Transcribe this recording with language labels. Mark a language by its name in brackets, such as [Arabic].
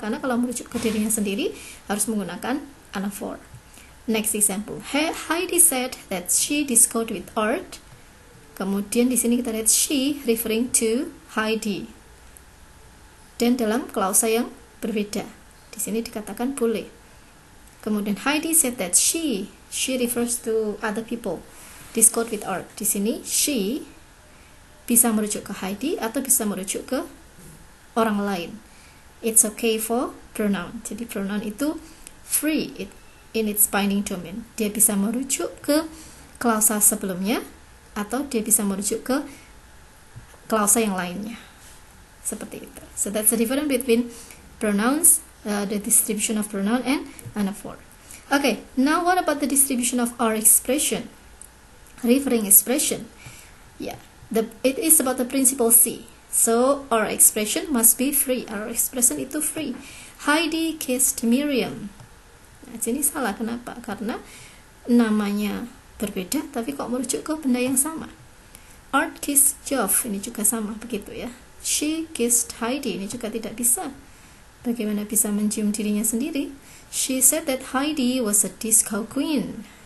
[Indonesian] Karena kalau merujuk ke dirinya sendiri, harus menggunakan anaphor. [English] Next example. Heidi said that she discussed with Art. [Indonesian] Kemudian di sini kita lihat [English] she referring to Heidi. [Indonesian] Dan dalam klausa yang berbeda. Di sini dikatakan boleh. [English] Kemudian Heidi said that she refers to other people. Discussed with Art. [Indonesian] Di sini she bisa merujuk ke Heidi atau bisa merujuk ke orang lain. [English] It's okay for pronoun. [Indonesian] Jadi pronoun itu [English] free in its binding domain. [Indonesian] Dia bisa merujuk ke klausa sebelumnya atau dia bisa merujuk ke klausa yang lainnya. Seperti itu. [English] So that's the difference between pronouns, the distribution of pronoun and anaphor. Okay, now what about the distribution of our expression? Referring expression. Yeah. It is about the principle C. So our expression must be free. Our expression [Indonesian] itu [English] free. Heidi kissed Miriam. [Indonesian] Nah, sini salah. Kenapa? Karena namanya berbeda, tapi kok merujuk ke benda yang sama. [English] Art kissed Geoff. [Indonesian] Ini juga sama, begitu ya. [English] She kissed Heidi. [Indonesian] Ini juga tidak bisa. Bagaimana bisa mencium dirinya sendiri? [English] She said that Heidi was a disco queen.